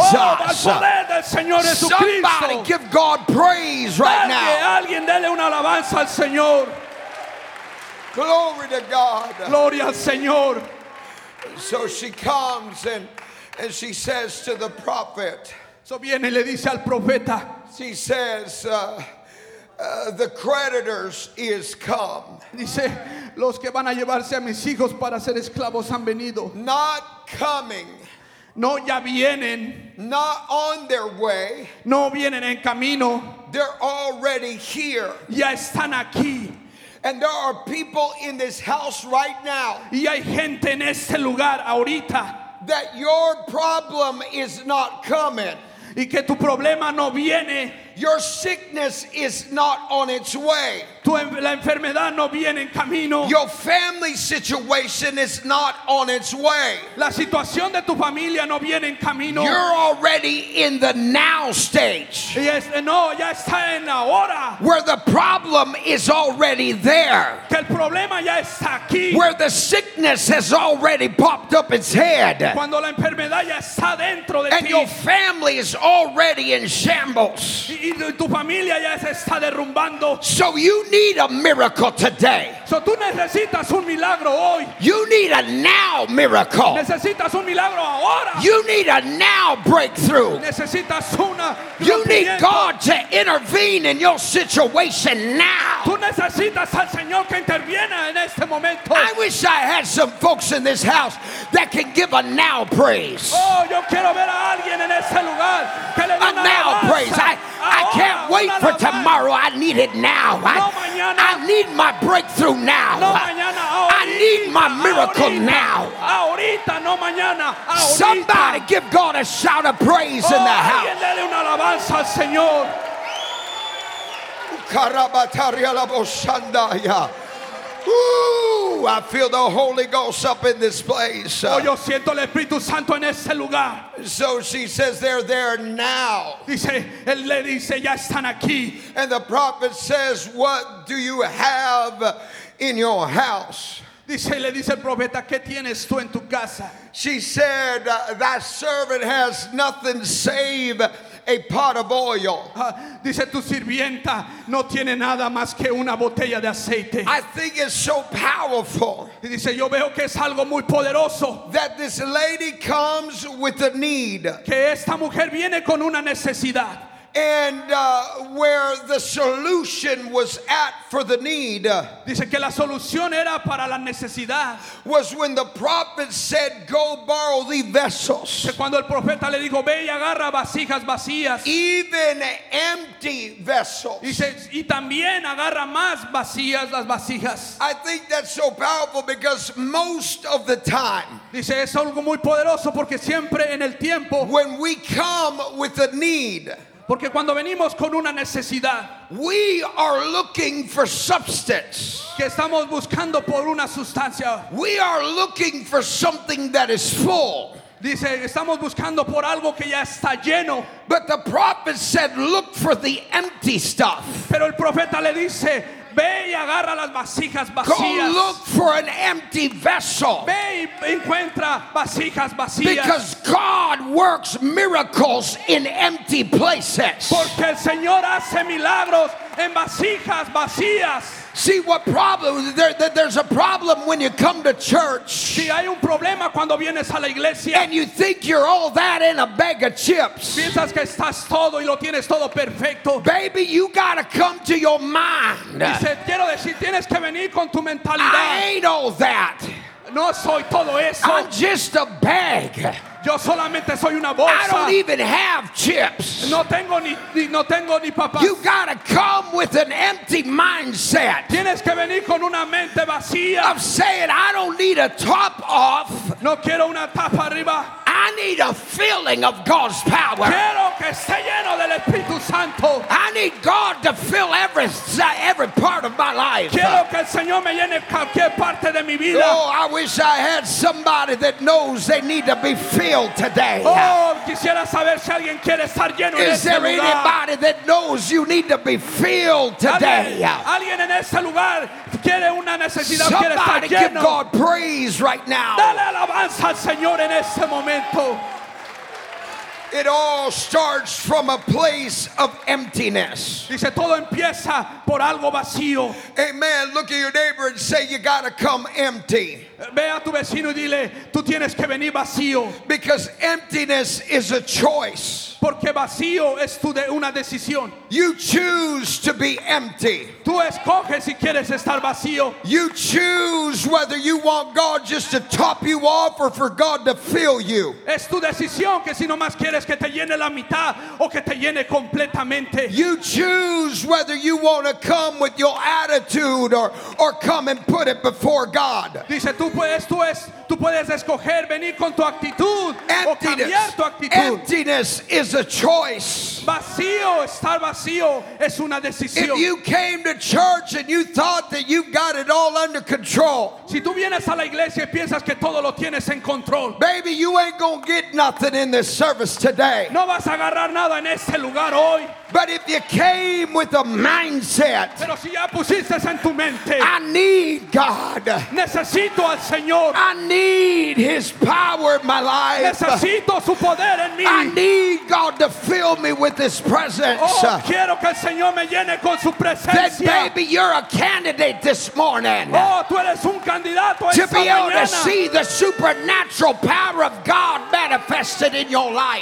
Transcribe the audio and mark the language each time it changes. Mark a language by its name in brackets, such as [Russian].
[Spanish] Oh, poder del Señor Jesucristo. [English] Somebody give God praise right now. [Spanish] Alguien dele una alabanza al Señor. [English] Glory to God. [Spanish] Gloria al Señor. [English] So she comes and she says to the prophet. [Spanish] So viene y le dice al profeta. [English] She says, the creditors is come. [Spanish] Dice, los que van a llevarse a mis hijos para ser esclavos han venido. [English] Not coming. [Spanish] No, ya vienen. [English] Not on their way. [Spanish] No vienen en camino. [English] They're already here. [Spanish] Ya están aquí. [English] And there are people in this house right now. [Spanish] Y hay gente en este lugar ahorita. [English] That your problem is not coming. [Spanish] Y que tu problema no viene. [English] Your sickness is not on its way. [Spanish] Tu la enfermedad no viene en camino. [English] Your family situation is not on its way. [Spanish] La situación de tu familia no viene en camino. [English] You're already in the now stage. [Spanish] Yes, no, ya está en la hora. [English] Where the problem is already there. [Spanish] Que el problema ya está aquí. [English] Where the sickness has already popped up its head. [Spanish] Cuando la enfermedad ya está dentro de ti. [English] And your family is already in shambles. [Spanish] Y tu familia ya se está derrumbando. [English] So you need a miracle today. [Spanish] So tú necesitas un milagro hoy. [English] You need a now miracle. [Spanish] Necesitas un milagro ahora. [English] You need a now breakthrough. [Spanish] Necesitas una. [English] You need God to intervene in your situation now. [Spanish] Tú necesitas al Señor que interviene en este momento. [English] I wish I had some folks in this house that can give a now praise. [Spanish] Oh, yo quiero ver a alguien en este lugar que le dé una [English] now praise. I can't wait for tomorrow. I need it now. [Spanish] No, mañana. mañana. [English] I need my breakthrough now. [Spanish] No mañana, ahorita. [English] I need my miracle [Spanish] ahorita. [English] Now. [Spanish] Ahorita, no mañana. Ahorita. [English] Somebody give God a shout of praise in the house. [Spanish] Alguien dele una alabanza al Señor. Carabataria la bosandaya. [English] I feel the Holy Ghost up in this place. [Spanish] Yo siento el Espíritu Santo en este lugar. [English] So she says they're there now. [Spanish] Dice, él le dice, ya están aquí. [English] And the prophet says, what do you have in your house? [Spanish] Dice, le dice el profeta, ¿qué tienes tú en tu casa? [English] She said, that servant has nothing save a pot of oil. [Spanish] Dice tu sirvienta no tiene nada más que una botella de aceite. [English] I think it's so powerful. [Spanish] Dice yo veo que es algo muy poderoso. [English] That this lady comes with a need. [Spanish] Que esta mujer viene con una necesidad. [English] And where the solution was at for the need. [Spanish] Dice que la solución era para la necesidad. [English] Was when the prophet said, "Go borrow the vessels." [Spanish] Que cuando el profeta le dijo, ve y agarra vasijas vacías. [English] Even empty vessels. [Spanish] Dice y también agarra más vacías las vasijas. [English] I think that's so powerful because most of the time. [Spanish] Dice es algo muy poderoso porque siempre en el tiempo. [English] When we come with a need. [Spanish] Porque cuando venimos con una necesidad, [English] we are looking for substance. [Spanish] Que estamos buscando por una sustancia. [English] We are looking for something that is full. [Spanish] Dice, estamos buscando por algo que ya está lleno. [English] But the prophet said, look for the empty stuff. [Spanish] Pero el profeta le dice, ve y agarra las vasijas vacías. [English] Go look for an empty vessel. [Spanish] Ve y encuentra vasijas vacías. [English] Because God works miracles in empty places. [Spanish] Porque el Señor hace milagros en vasijas vacías. [English] See what problem there's a problem when you come to church. [Spanish] Si hay un problema cuando vienes a la iglesia. [English] And you think you're all that in a bag of chips. [Spanish] Piensas que estás todo y lo tienes todo perfecto. [English] Baby, you gotta come to your mind. [Spanish] Dice, quiero decir, tienes que venir con tu mentalidad. [English] I ain't all that. [Spanish] No soy todo eso. [English] I'm just a bag. [Spanish] Yo solamente soy una bolsa. [English] I don't even have chips. [Spanish] No tengo ni papas. [English] You gotta come with an empty mindset. [Spanish] Tienes que venir con una mente vacía. [English] I'm saying I don't need a top off. [Spanish] No quiero una tapa arriba. [English] I need a filling of God's power. [Spanish] Quiero que esté lleno del Espíritu Santo. [English] I need God to fill every part of my life. [Spanish] Quiero que el Señor me llene cualquier parte de mi vida. [English] Oh, I wish I had somebody that knows they need to be filled today. [Spanish] Oh, quisiera saber si alguien quiere estar lleno en este lugar. [English] Is there anybody that knows you need to be filled today? [Spanish] Alguien en este lugar quiere una necesidad, [English] somebody [Spanish] quiere estar lleno. [English] Give God praise right now. [Spanish] Dale alabanza al Señor en este momento. [English] It all starts from a place of emptiness. [Spanish] Dice todo empieza por algo vacío. [English] Amen. Look at your neighbor and say, you gotta come empty. [Spanish] Ve a tu vecino y dile, tú tienes que venir vacío. [English] Because emptiness is a choice. [Spanish] Porque vacío es tu de una decisión. [English] You choose to be empty. [Spanish] Tú escoges si quieres estar vacío. [English] You choose whether you want God just to top you off or for God to fill you. [Spanish] Es tu decisión que si no más quieres que te llene la mitad o que te llene completamente. [English] You choose whether you want to come with your attitude or come and put it before God. [Spanish] Dice tú puedes escoger venir con tu actitud o cambiar tu actitud. [English] Emptiness is a choice. [Spanish] Vacío, estar vacío es una decisión. [English] If you came to church and you thought that you got it all under control. [Spanish] Si tú vienes a la iglesia y piensas que todo lo tienes en control. [English] Baby, you ain't gonna get nothing in this service today. [Spanish] No vas a agarrar nada en este lugar hoy. [English] But if you came with a mindset, [Spanish] pero si ya pusiste en tu mente, [English] I need God. [Spanish] Necesito al Señor. [English] I need His power in my life. [Spanish] Necesito su poder en mí. [English] I need God to fill me with His presence. [Spanish] Oh, quiero que el Señor me llene con su presencia. [English] Then baby, you're a candidate this morning. [Spanish] Oh, tú eres un candidato [English] to be able [Spanish] mañana. [English] To see the supernatural power of God manifested in your life.